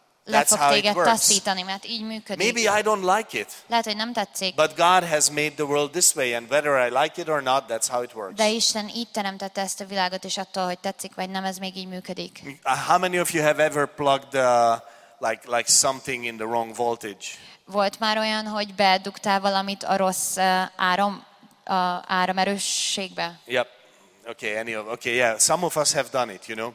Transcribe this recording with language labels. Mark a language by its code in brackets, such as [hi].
[hu] taszítani, mert így működik. [en] Maybe I don't like it. [hu] Lehet, hogy nem tetszik. [en] But God has made the world this way, and whether I like it or not, that's how it works. [hu] De Isten így teremtette ezt a világot, és attól, hogy tetszik vagy nem, ez még így működik. [en] How many of you have ever plugged like something in the wrong voltage? [hu] Volt már olyan, hogy bedugtál valamit a rossz áram áramerősségbe? [en] Yep. Okay, any of okay, yeah, some of us have done it, you know.